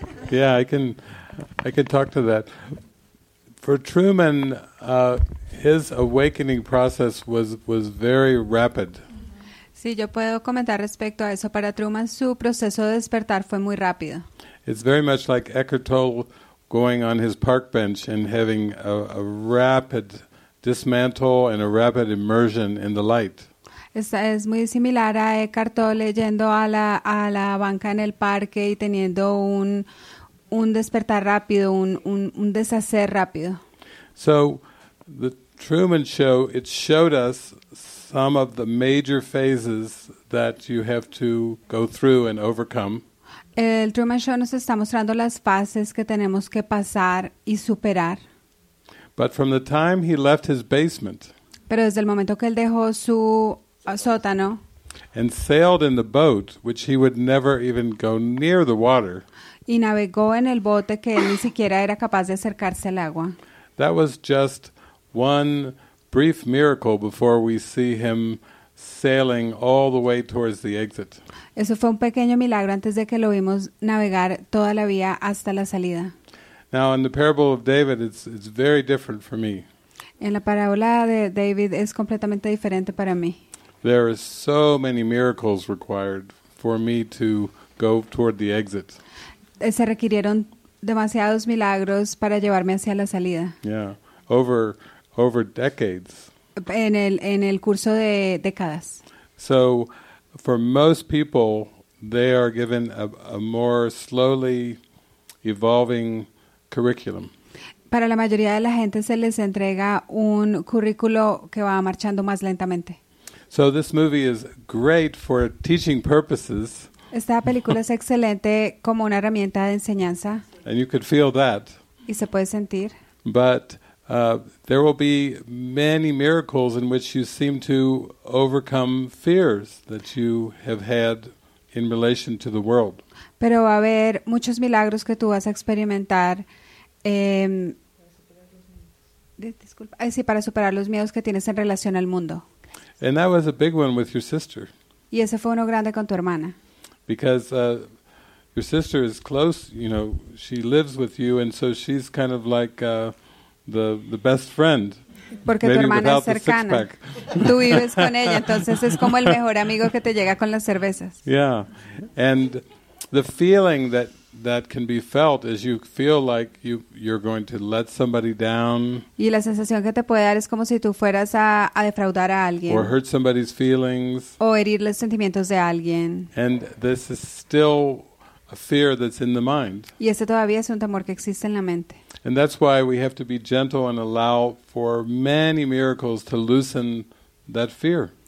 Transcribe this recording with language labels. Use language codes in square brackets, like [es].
[en] Yeah, I can talk to that. For Truman, his awakening process was very rapid. [es] Sí, yo puedo comentar respecto a eso. Para Truman, su proceso de despertar fue muy rápido. [en] It's very much like Eckhart Tolle going on his park bench and having a rapid dismantle and a rapid immersion in the light. [es] Es muy similar a Eckhart Tolle yendo a la banca en el parque y teniendo un despertar rápido, un deshacer rápido. [en] So the Truman Show, it showed us some of the major phases that you have to go through and overcome. [es] El Truman Show nos está mostrando las fases que tenemos que pasar y superar. [en] But from the time he left his basement. [es] Pero desde el momento que él dejó su sótano. [en] And sailed in the boat, which he would never even go near the water. [es] Y navegó en el bote que él ni siquiera era capaz de acercarse al agua. [en] That was just one brief miracle before we see him sailing all the way towards the exit. [es] Eso fue un pequeño milagro antes de que lo vimos navegar toda la vía hasta la salida. [en] Now in the parable of David, it's very different for me. [es] En la parábola de David es completamente diferente para mí. [en] There are so many miracles required for me to go toward the exit. [es] Se requirieron demasiados milagros para llevarme hacia la salida. [en] Yeah, over decades. [es] En el curso de décadas. [en] So, for most people, they are given a more slowly evolving curriculum. [es] Para la mayoría de la gente se les entrega un currículo que va marchando más lentamente. [en] So this movie is great for teaching purposes. [es] Esta película es excelente como una herramienta de enseñanza. [en] And you could feel that. [es] Y se puede sentir. [en] But there will be many miracles in which you seem to overcome fears that you have had in relation to the world. [es] Pero va a haber muchos milagros que tú vas a experimentar. Para superar los miedos que tienes en relación al mundo. [en] And that was a big one with your sister. [es] Y ese fue uno grande con tu hermana. [en] Because your sister is close, you know, she lives with you, and so she's kind of like the best friend. [es] Porque tu hermana es cercana. Tú vives con ella, entonces es como el mejor amigo que te llega con las cervezas. [en] Yeah, and the feeling that can be felt is you feel like you're going to let somebody down. [es] Y la sensación que te puede dar es como si tú fueras a defraudar a alguien. [en] Or hurt somebody's feelings. [es] O herir los sentimientos de alguien. [en] And this is still a fear that's in the mind. [es] Y ese todavía es un temor que existe en la mente. [en] And that's why we have to be gentle and allow for many miracles to loosen that fear.